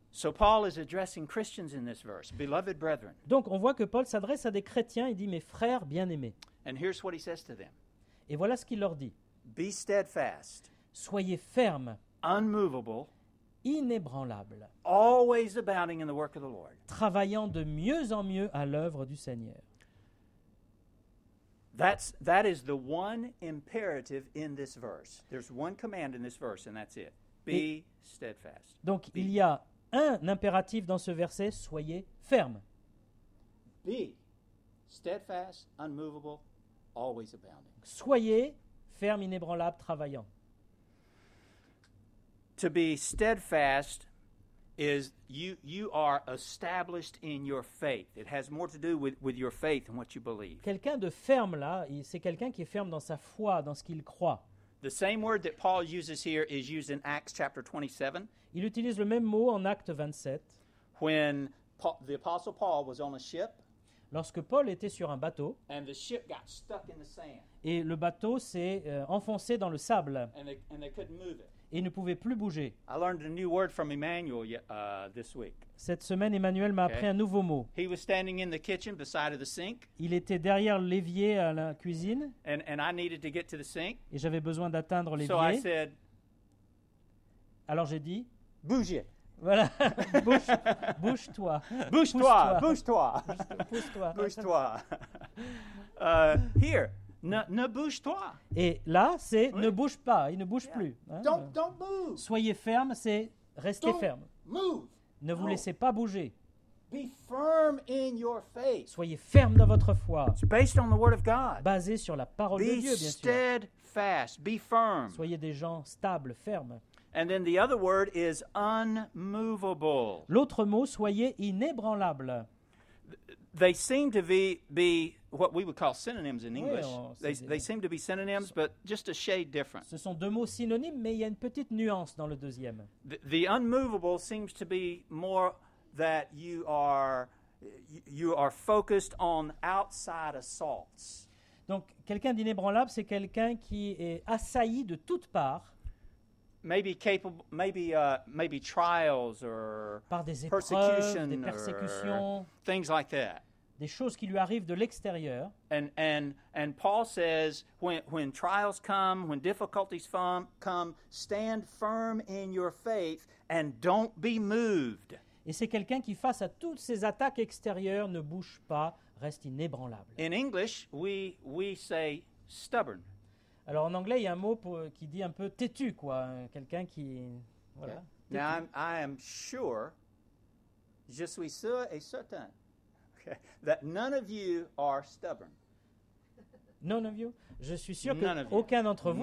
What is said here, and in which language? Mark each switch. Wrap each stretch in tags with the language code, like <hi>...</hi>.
<en>So Paul is addressing Christians in this verse, beloved brethren.</en> <fr>Donc on voit que Paul s'adresse à des chrétiens et dit mes frères bien-aimés.</fr> <en>And here's what he says to them.</en> <fr>Et voilà ce qu'il leur dit.</fr> <en>Be steadfast.</en> <fr>Soyez fermes.</fr> <en>Unmovable.</en> <fr>Inébranlable.</fr> <en>Always abounding in the work of the Lord.</en> <fr>Travaillant de mieux en mieux à l'œuvre du Seigneur.</fr> <en>That is the one imperative in this verse. There's one command in this verse and that's it. Be steadfast.</en> <fr>Donc</fr> <en>Be.</en> <fr>Il y a un impératif dans ce verset, soyez ferme.</fr> <en>Be steadfast, unmovable, always abounding.</en> <fr>Soyez ferme, inébranlable, travaillant.</fr> <en>To be steadfast is you are established in your faith. It has more to do with your faith and what you believe.</en> <fr>Quelqu'un de ferme là, c'est quelqu'un qui est ferme dans sa foi, dans ce qu'il croit.</fr> <en>The same word that Paul uses here is used in Acts chapter 27.</en> <fr>Il utilise le même mot en Acte 27.</fr> <en>When the apostle Paul was on a ship.</en> <fr>Lorsque Paul était sur un bateau.</fr> <en>And the ship got stuck in the sand.</en> <fr>Et le bateau s'est enfoncé dans le sable.</fr> <en>And they couldn't move it.</en> <fr>Et ne pouvait plus bouger.</fr> <en>I learned a new word from Emmanuel, this week.</en> <fr>Cette semaine, Emmanuel m'a appris un nouveau mot.</fr> <en>He was standing in the kitchen beside of the sink.</en> <fr>Il était derrière l'évier à la cuisine.</fr> <en>And I needed to get to the sink.</en> <fr>Et j'avais besoin d'atteindre l'évier.</fr> <en>So I said,</en> <fr>alors j'ai dit, bougez. Voilà, bouge-toi. Bouge-toi, bouge-toi. Bouge-toi. Bouge-toi. Here. Ne bouge-toi. Et là, c'est oui. Ne bouge pas. Il ne bouge plus.</fr> <en>Hein? Don't move.</en> <fr>Soyez ferme, c'est rester</fr> <en>don't</en> <fr>ferme.</fr> <en>Move.</en> <fr>Ne vous laissez pas bouger.</fr> <en>Be firm in your faith.</en> <fr>Soyez ferme dans votre foi.</fr> <en>It's based on the word of God.</en> <fr>Basé sur la parole</fr> <en>Be</en> <fr>de Dieu, bien</fr> <en>steadfast.</en> <fr>Sûr.</fr> <en>Be firm.</en> <fr>Soyez des gens stables, fermes.</fr> <en>And then the other word is unmovable.</en> <fr>L'autre mot, soyez inébranlable.</fr> <en>They seem to be what we would call synonyms in English. They seem to be synonyms, but just a shade different.</en> <fr>Ce sont deux mots synonymes, mais il y a une petite nuance dans le deuxième.</fr> <en>The unmovable seems to be more that you are focused on outside assaults.</en> <fr>Donc, quelqu'un d'inébranlable, c'est quelqu'un qui est assailli de toutes parts.</fr> <en>Maybe trials or</en> <fr>par des épreuves, des persécutions,</fr> <en>or things like that.</en> <fr>Des choses qui lui arrivent de l'extérieur.</fr> <en>And Paul says, when trials come, when difficulties come, stand firm in your faith and don't be moved.</en> <fr>Et c'est quelqu'un qui, face à toutes ces attaques extérieures, ne bouge pas, reste inébranlable.</fr> <en>In English, we say stubborn.</en> <fr>Alors, en anglais, il y a un mot qui dit un peu têtu, quoi. Quelqu'un qui, voilà.</fr> <en>Yeah. Now, I am sure,</en> <fr>je suis sûr et certain,</fr> <en>that none of you are stubborn. None of you?</en> <fr>Je suis sûr qu'aucun d'entre vous</fr>